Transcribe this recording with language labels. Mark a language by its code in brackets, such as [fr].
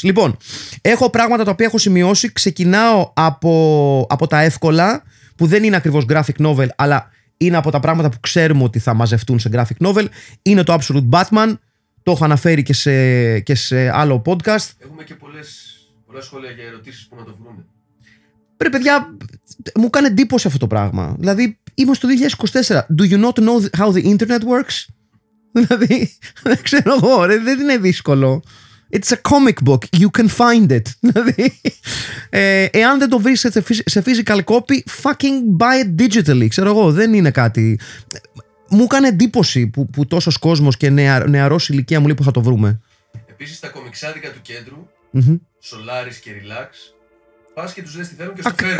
[el] Λοιπόν, έχω πράγματα τα οποία έχω σημειώσει. Ξεκινάω από τα εύκολα, που δεν είναι ακριβώς graphic novel, αλλά είναι από τα πράγματα που ξέρουμε ότι θα μαζευτούν σε graphic novel. Είναι το Absolute Batman. Το έχω αναφέρει και σε άλλο podcast. Έχουμε και πολλά σχόλια για ερωτήσεις που να το βρούμε. Πρε παιδιά, μου κάνει εντύπωση αυτό το πράγμα. Δηλαδή, είμαι στο 2024. [en] Do you not know how the internet works? [el] Δηλαδή, δεν ξέρω εγώ, ρε, δεν είναι δύσκολο. [en] It's a comic book, you can find it. [el] Δηλαδή, εάν δεν το βρεις σε physical copy, [en] fucking buy it digitally. [el] Ξέρω εγώ, δεν είναι κάτι... Μου έκανε εντύπωση που τόσος κόσμος και νεαρός ηλικία μου λέει που θα το βρούμε. Επίσης τα κομιξάδικα του κέντρου, mm-hmm. Solaris και Relax, πας και τους δες τι θέλουν και στο φέρνουν.